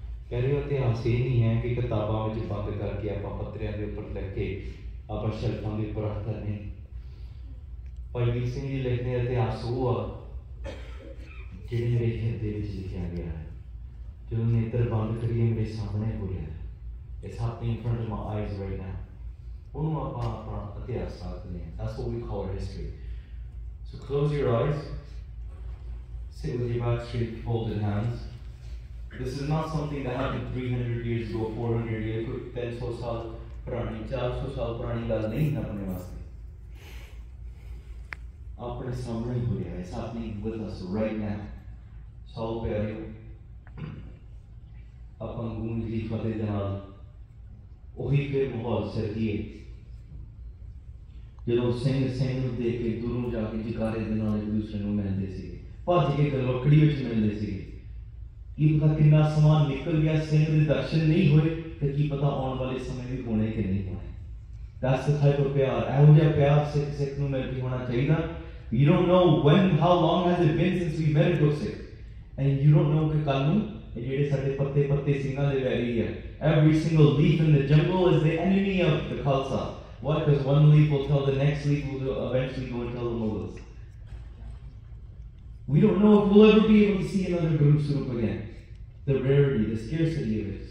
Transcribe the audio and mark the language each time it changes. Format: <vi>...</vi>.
<pa>ਕਹਿ ਰਹੇ ਹੋ ਇਤਿਹਾਸ ਇਹ ਨਹੀਂ ਹੈ ਕਿ ਕਿਤਾਬਾਂ ਵਿੱਚ ਬੰਦ ਕਰਕੇ ਆਪਾਂ ਪੱਤਰਿਆਂ ਦੇ ਉੱਪਰ ਲਿਖ ਕੇ ਆਪਾਂ ਸ਼ਲਫਾਂ ਦੇ ਉੱਪਰ ਰੱਖਦਾ ਨਹੀਂ। ਭਾਈ ਵੀਰ ਸਿੰਘ ਜੀ ਲਿਖਦੇ ਇਤਿਹਾਸ ਉਹ ਆ ਜਿਹੜੇ ਮੇਰੇ ਹਿਰਦੇ ਵਿੱਚ ਲਿਖਿਆ ਗਿਆ ਹੈ, ਜਦੋਂ ਨੇਤਰ ਬੰਦ ਕਰੀਏ ਮੇਰੇ ਸਾਹਮਣੇ ਹੋ ਰਿਹਾ।</pa> <en>It's happening in front of my eyes right now.</en> <pa>ਉਹਨੂੰ ਆਪਾਂ ਆਪਣਾ ਇਤਿਹਾਸ ਆਖਦੇ ਹਾਂ।</pa> <en>That's what we call history. So close your eyes. Sit with your back straight, folded hands. This is not something that happened 300 years ago, 400 years ago,</en> <pa>300 ਸਾਲ ਪੁਰਾਣੀ 400 ਸਾਲ ਪੁਰਾਣੀ ਗੱਲ ਨਹੀਂ ਆਪਣੇ ਵਾਸਤੇ। ਆਪਣੇ ਸਾਹਮਣੇ ਹੋ ਰਿਹਾ।</pa> <en>It's happening with us right now.</en> <pa>ਸੋ ਪਿਆਰਿਓ, ਆਪਾਂ ਗੁਰੂ ਜੀ ਦੀ ਫਤਿਹ ਦੇ ਨਾਲ ਉਹੀ ਫਿਰ ਮਾਹੌਲ ਸਿਰਜੀਏ। ਜਦੋਂ ਸਿੰਘ ਸਿੰਘ ਨੂੰ ਦੇਖ ਕੇ ਦੂਰੋਂ ਜਾ ਕੇ ਜਗਾਰੇ ਦੇ ਨਾਲ ਇੱਕ ਦੂਸਰੇ ਨੂੰ ਮਿਲਦੇ ਸੀਗੇ, ਭੱਜ ਕੇ ਗਲਵੱਕੜੀ ਵਿੱਚ ਮਿਲਦੇ ਸੀਗੇ। ਕੀ ਪਤਾ ਕਿੰਨਾ ਸਮਾਨ ਨਿਕਲ ਗਿਆ, ਸਿੰਘ ਦੇ ਦਰਸ਼ਨ ਨਹੀਂ ਹੋਏ, ਤੇ ਕੀ ਪਤਾ ਆਉਣ ਵਾਲੇ ਸਮੇਂ ਵੀ ਹੋਣੇ ਕਿ ਨਹੀਂ ਹੋਣੇ। ਦੱਸ ਸਿਖਾਏ ਤੋਂ ਪਿਆਰ, ਇਹੋ ਜਿਹਾ ਪਿਆਰ ਸਿੱਖ ਸਿੱਖ ਨੂੰ ਮਿਲ ਕੇ ਹੋਣਾ ਚਾਹੀਦਾ।</pa> <en>you don't know when how long has it been since we met Gursikh, and you don't know</en> <pa>ਕਿ ਕੱਲ ਨੂੰ ਜਿਹੜੇ ਸਾਡੇ ਪੱਤੇ ਪੱਤੇ ਸਿੰਘਾਂ ਦੇ ਵੈਰੀ ਆ।</pa> <en>Every single leaf in the jungle is the enemy of the Khalsa. What? Because one leaf will tell the next leaf will eventually go and tell the Mughals. We don't know if we'll ever be able to see another Guru Surup again. The rarity, the scarcity of it.</en>